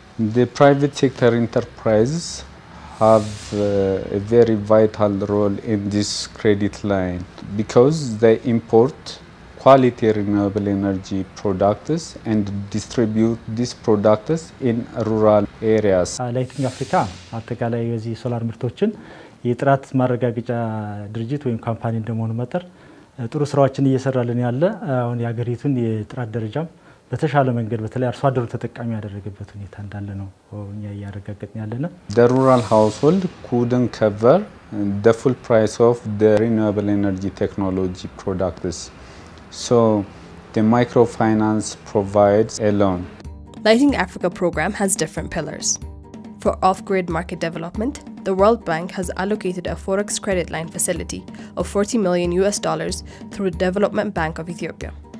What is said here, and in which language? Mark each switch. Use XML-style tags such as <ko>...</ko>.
<en>The private sector enterprises have a very vital role in this credit line because they import quality renewable energy products and distribute these products in rural areas.</en> <am>Lighting Africa, አጠቃላይ የዚህ ሶላር ምርቶችን የጥራት ማረጋገጫ ድርጅት ወይም ካምፓኒ እንደመሆኑ መጠን ጥሩ ስራዎችን እየሰራልን ያለ አሁን ያገሪቱን የጥራት ደረጃ በተሻለ መንገድ በተለይ አርሶ አደሩ ተጠቃሚ ያደረገበት ሁኔታ እንዳለ ነው እኛ ያረጋገጥን ያለነ</am> <en>The rural household couldn't cover the full price of the renewable energy technology products. So the microfinance provides a loan. Lighting Africa program has different pillars. For off-grid market development, the World Bank has allocated a Forex credit line facility of $40 million through the Development Bank of Ethiopia.</en>